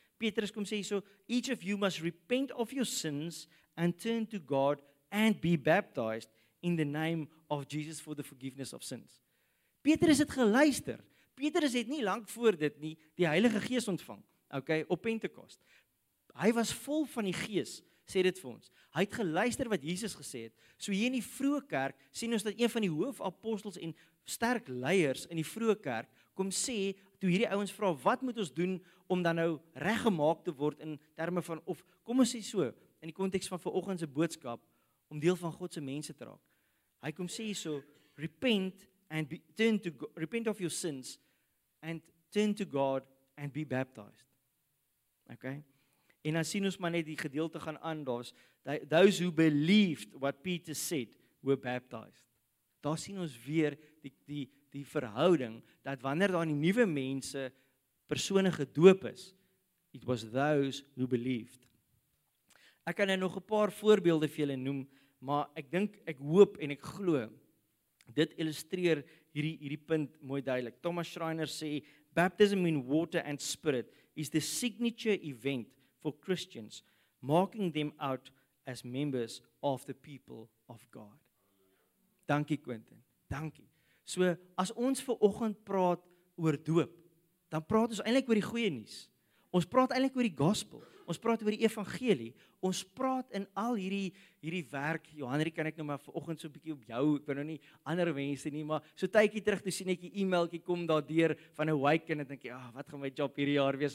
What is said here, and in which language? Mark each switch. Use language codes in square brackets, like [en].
[af] Petrus kom sê hierso, [en] each of you must repent of your sins and turn to God and be baptized in the name of Jesus for the forgiveness of sins. [af] Petrus het geluister. Petrus het nie lank voor dit nie die Heilige Gees ontvang. Okay, op Pentekost. Hy was vol van die Gees, sê dit vir ons. Hy het geluister wat Jesus gesê het. So hier in die vroeë kerk sien ons dat een van die hoofapostels en sterk leiers in die vroeë kerk kom sê, toe hierdie ouens vra, wat moet ons doen om dan nou reggemaak te word in terme van, of kom ons sê so, in die konteks van vanoggend se boodskap, om deel van God se mense te raak. Hy kom sê hierso, [en] repent of your sins and turn to God and be baptized. Okay? [af] En dan sien ons maar net die gedeelte gaan aan, daar's [en] those who believed what Peter said were baptized. [af] Daar sien ons weer die verhouding dat wanneer daar die nuwe mense persone gedoop is, [en] it was those who believed. [af] Ek kan nou nog 'n paar voorbeelde vir julle noem, maar ek dink, ek hoop en ek glo, dit illustreer hierdie punt mooi duidelik. [en] Thomas Schreiner sê, baptism in water and spirit is the signature event for Christians, marking them out as members of the people of God. [af] Dankie Quentin, dankie. So, as ons vanoggend praat oor doop, dan praat ons eintlik oor die goeie nuus. Ons praat eintlik oor die gospel. Ons praat oor die evangelie. Ons praat in al hierdie werk. Johanrie, kan ek nou maar vanoggend so 'n bietjie op jou, ek wil nou nie ander mense nie, maar so tydjie terug toe sien ek 'n e-mailtjie kom daardeur van Awaken en dink jy, wat gaan my job hierdie jaar wees?